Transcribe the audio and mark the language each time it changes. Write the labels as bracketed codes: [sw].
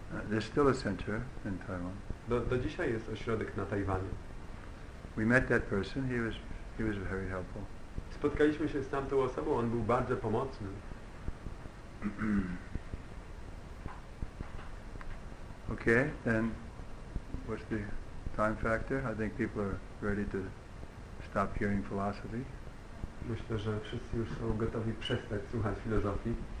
[en] There's still a center in Taiwan. [pl] Do dzisiaj jest ośrodek na Tajwanie. [en] We met that person. He was very helpful. [pl] Spotkaliśmy się z tamtą osobą. On był bardzo pomocny. [en] Okay, then what's the time factor? I think people are ready to stop hearing philosophy. [pl] Myślę, że wszyscy już są gotowi przestać słuchać filozofii.